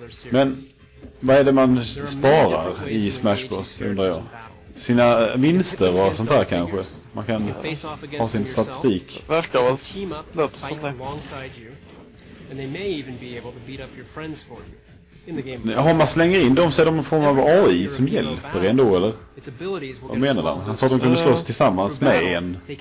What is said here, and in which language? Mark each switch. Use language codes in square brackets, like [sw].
[sv] Men vad är det man sparar i Smash Bros, undrar jag? Sina vinster och sånt där kanske. Man kan ha sin statistik. Verkar vara något sånt där. [en] And they may even be able to beat up your friends for you in the game. [sv] Ja, man slänger in dem så är de en form av AI som hjälper ändå, eller? Vad menar han? Han sa att de kunde slåss tillsammans med en.